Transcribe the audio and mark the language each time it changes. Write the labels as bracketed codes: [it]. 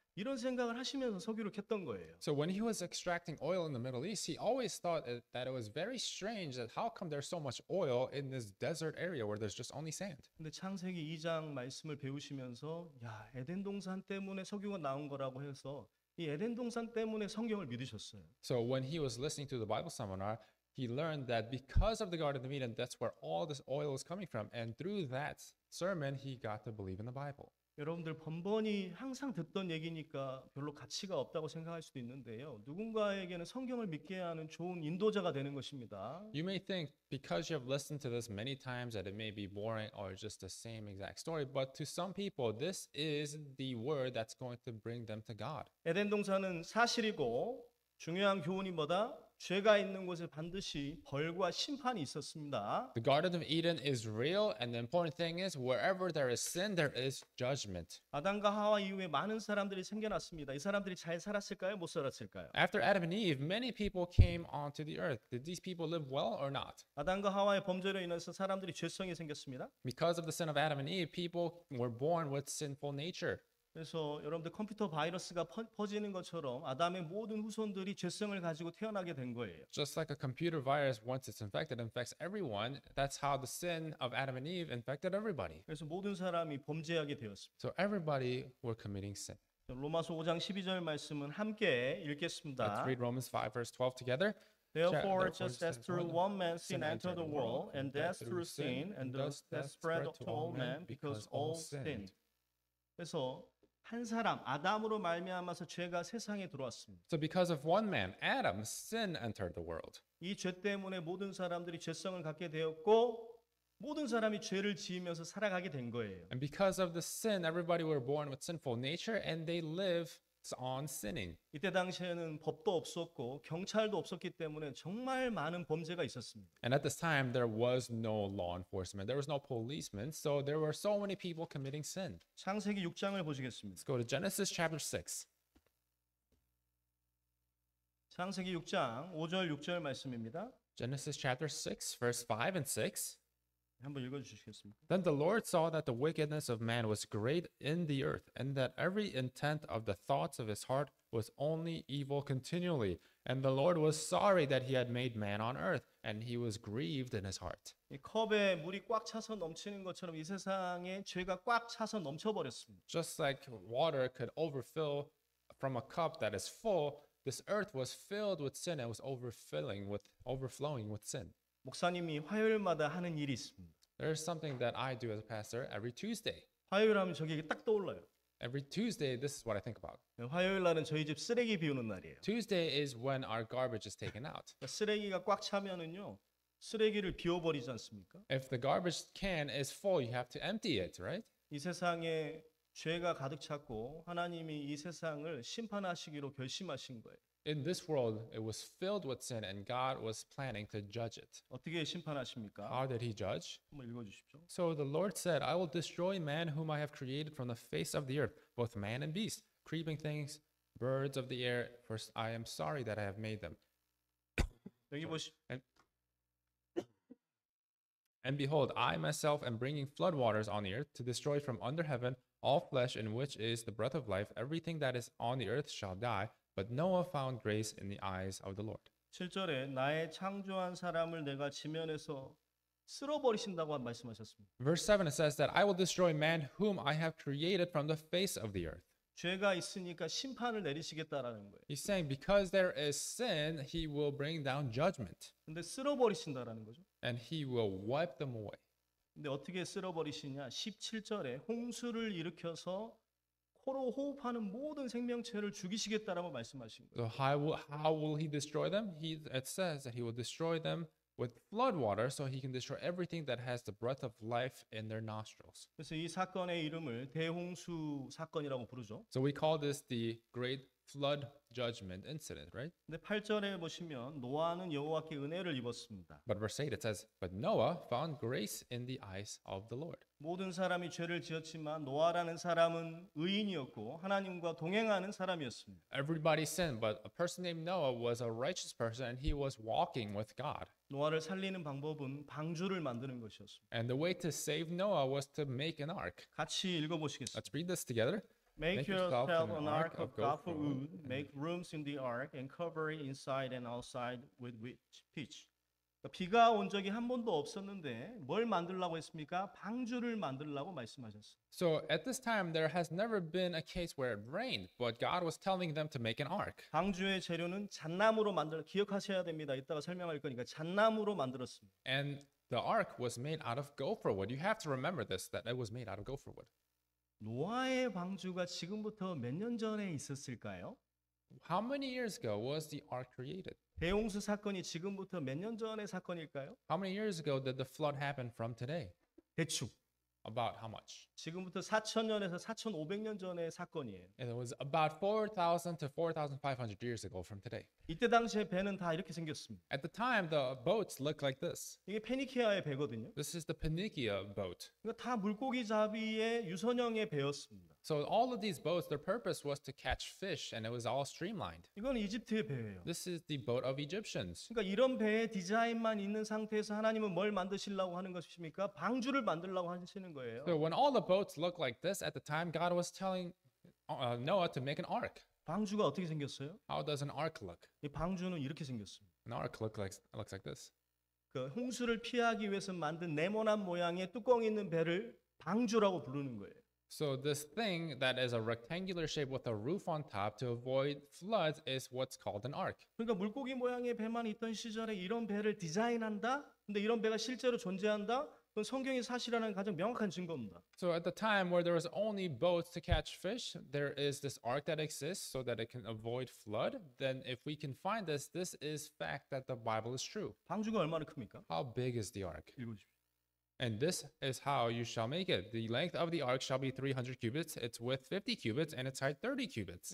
[ko] 이런 생각을 하시면서 석유를 캤던 거예요. [en] So when he was extracting oil in the Middle East, he always thought that it was very strange that how come there's so much oil in this desert area where there's just only sand. [ko] 근데 창세기 2장 말씀을 배우시면서 야, 에덴 동산 때문에 석유가 나온 거라고 해서 이 에덴 동산 때문에 성경을 믿으셨어요. [en] So when he was listening to the Bible seminar, He learned that because of the Garden of Eden, that's where all this oil was coming from. And through that sermon, he got to believe in the Bible. [ko] 여러분들 번번이 항상 듣던 얘기니까 별로 가치가 없다고 생각할 수도 있는데요. 누군가에게는 성경을 믿게 하는 좋은 인도자가 되는 것입니다. [en] You may think because you have listened to this many times that it may be boring or just the same exact story, but to some people this is the word that's going to bring them to God. [ko] 에덴 동산은 사실이고 중요한 교훈이 뭐다? 죄가 있는 곳에 반드시 벌과 심판이 있었습니다. [en] The Garden of Eden is real, and the important thing is wherever there is sin, there is judgment. [ko] 아담과 하와 이후에 많은 사람들이 생겨났습니다. 이 사람들이 잘 살았을까요? 못 살았을까요? [en] After Adam and Eve, many people came onto the earth. Did these people live well or not? [ko] 아담과 하와의 범죄로 인해서 사람들이 죄성이 생겼습니다. [en] Because of the sin of Adam and Eve, people were born with sinful nature. [ko] 그래서 여러분들 컴퓨터 바이러스가 퍼지는 것처럼 아담의 모든 후손들이 죄성을 가지고 태어나게 된 거예요. [en] Just like a computer virus, once it's infected, infects everyone. That's how the sin of Adam and Eve infected everybody. [ko] 그래서 모든 사람이 범죄하게 되었습니다. [en] So everybody were committing sin. [ko] 로마서 5장 12절 말씀은 함께 읽겠습니다. [en] Let's read Romans 5 verse 12 together. Therefore, just as through one man sin entered the world, and death through sin, and thus death spread to all men because all sinned. [ko] 그래서 한 사람 아담으로 말미암아서 죄가 세상에 들어왔습니다. [en] So because of one man, Adam, sin entered the world. [ko] 이 죄 때문에 모든 사람들이 죄성을 갖게 되었고 모든 사람이 죄를 지으면서 살아가게 된 거예요. [en] And because of the sin, everybody were born with sinful nature and they live on sinning. [ko] 이때 당시에는 법도 없었고 경찰도 없었기 때문에 정말 많은 범죄가 있었습니다. [en] And at this time there was no law enforcement. There was no policeman. So there were so many people committing sin. [ko] 창세기 6장을 보시겠습니다. [en] Let's go to Genesis chapter 6. [ko] 창세기 6장 5절 6절 말씀입니다. [en] Genesis chapter 6 verse 5 and 6. [ko] 한번 읽어주시겠습니까? [en] Then the Lord saw that the wickedness of man was great in the earth, and that every intent of the thoughts of his heart was only evil continually. And the Lord was sorry that he had made man on earth, and he was grieved in his heart. [ko] 이 컵에 물이 꽉 차서 넘치는 것처럼 이 세상에 죄가 꽉 차서 넘쳐버렸습니다. [en] Just like water could overfill from a cup that is full, this earth was filled with sin and was overflowing with sin. [ko] 목사님이 화요일마다 하는 일이 있습니다. [en] There is something that I do as a pastor every Tuesday. [ko] 화요일 하면 저기 딱 떠올라요. [en] Every Tuesday, this is what I think about. [ko] 화요일 날은 저희 집 쓰레기 비우는 날이에요. [en] Tuesday is when our garbage is taken out. [ko] 쓰레기가 꽉 차면은요, 쓰레기를 비워버리지 않습니까? [en] If the garbage can is full, you have to empty it, right? [ko] 이 세상에 죄가 가득 찼고 하나님이 이 세상을 심판하시기로 결심하신 거예요. [en] In this world, it was filled with sin, and God was planning to judge it. [ko] 어떻게 심판하십니까? [en] How did He judge? [ko] 한번 읽어주십시오. [en] So the Lord said, I will destroy man whom I have created from the face of the earth, both man and beast, creeping things, birds of the air, for I am sorry that I have made them. [ko] 여기 [en] And behold, I myself am bringing flood waters on the earth to destroy from under heaven all flesh in which is the breath of life. Everything that is on the earth shall die. But Noah found grace in the eyes of the Lord. [ko] 7절에 나의 창조한 사람을 내가 지면에서 쓸어버리신다고 말씀하셨습니다. [en] Verse 7 it says that I will destroy man whom I have created from the face of the earth. [ko] 죄가 있으니까 심판을 내리시겠다라는 거예요. [en] He's saying because there is sin, he will bring down judgment. [ko] 근데 쓸어버리신다라는 거죠. [en] And he will wipe them away. [ko] 근데 어떻게 쓸어버리시냐? 17절에 홍수를 일으켜서 코로 호흡하는 모든 생명체를 죽이시겠다라고 말씀하신 거예요. [en] So how will he destroy them? It says that he will destroy them with flood water so he can destroy everything that has the breath of life in their nostrils. [ko] 그래서 이 사건의 이름을 대홍수 사건이라고 부르죠. [en] So we call this the great flood judgment incident, right? [ko] 근데 8절에 보시면 노아는 여호와께 은혜를 입었습니다. [en] But verse 8 it says, but Noah found grace in the eyes of the Lord. [ko] 모든 사람이 죄를 지었지만 노아라는 사람은 의인이었고 하나님과 동행하는 사람이었습니다. [en] Everybody sinned, but a person named Noah was a righteous person and he was walking with God. [ko] 노아를 살리는 방법은 방주를 만드는 것이었습니다. [en] And the way to save Noah was to make an ark. [ko] 같이 읽어 보시겠습니다. [en] Let's read this together. Make yourself an ark of gopher wood, make rooms in the ark, and cover it inside and outside with pitch. [ko] 비가 온 적이 한 번도 없었는데 뭘 만들라고 했습니까? 방주를 만들라고 말씀하셨어요. [en] So at this time there has never been a case where it rained, but God was telling them to make an ark. [ko] 방주의 재료는 잣나무로 만들 기억하셔야 됩니다. 이따가 설명할 거니까 잣나무로 만들었습니다. [en] And the ark was made out of gopher wood. You have to remember this that it was made out of gopher wood. [ko] 노아의 방주가 지금부터 몇 년 전에 있었을까요? [en] How many years ago was the ark created? [ko] 배홍수 사건이 지금부터 몇 년 전의 사건일까요? [en] How many years ago did the flood happen from today? [ko] 대충. [en] About how much? [ko] 지금부터 4,000년에서 4,500년 전의 사건이에요. [en] And it was about 4,000 to 4,500 years ago from today. [ko] 이때 당시에 배는 다 이렇게 생겼습니다. [en] At the time, the boats looked like this. [ko] 이게 페니키아의 배거든요. [en] This is the Phoenicia boat. [ko] 이거 다 물고기 잡이의 유선형의 배였습니다. [en] So all of these boats, their purpose was to catch fish, and it was all streamlined. [ko] 이건 이집트의 배예요. [en] This is the boat of Egyptians. [ko] 그러니까 이런 배의 디자인만 있는 상태에서 하나님은 뭘 만드시려고 하는 것입니까? 방주를 만들려고 하시는 거예요. [en] So when all the boats looked like this at the time, God was telling Noah to make an ark. [ko] 방주가 어떻게 생겼어요? [en] How does an ark look? [ko] 이 방주는 이렇게 생겼습니다. [en] An ark looks like this. [ko] 그 홍수를 피하기 위해서 만든 네모난 모양의 뚜껑 있는 배를 방주라고 부르는 거예요. [en] So this thing that is a rectangular shape with a roof on top to avoid floods is what's called an ark. [ko] 그러니까 물고기 모양의 배만 있던 시절에 이런 배를 디자인한다? 근데 이런 배가 실제로 존재한다? 그건 성경이 사실이라는 가장 명확한 증거입니다. [en] So at the time where there was only boats to catch fish, there is this ark that exists so that it can avoid flood. Then if we can find this, this is fact that the Bible is true. [ko] 방주가 얼마나 큽니까? [en] How big is the ark? And this is how you shall make it. The length of the ark shall be 300 cubits, its width 50 cubits, and its height 30 cubits.